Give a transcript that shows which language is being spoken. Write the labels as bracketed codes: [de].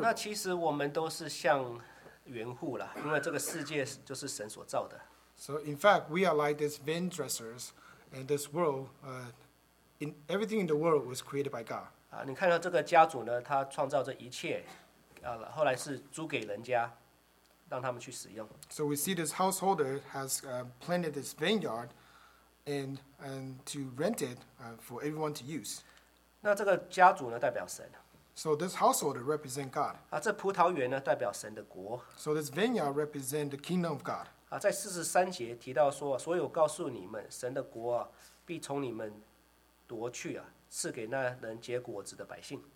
[zh] 那其实我们都是像原户了，因为这个世界就是神所造的。 [en] So in fact, we are like these vine dressers, and this world, in everything in the world was created by God. [zh] 你看到这个家主呢，他创造这一切，后来是租给人家，让他们去使用。 [en] So we see this householder has planted this vineyard, and to rent it for everyone to use. [zh] 那这个家主呢，代表神。 [en] So this householder represent God. [zh] 这葡萄园呢，代表神的国。 [en] So this vineyard represent the kingdom of God. [zh] 在四十三节提到说，所有告诉你们神的国必从你们夺去赐给那能结果子的百姓。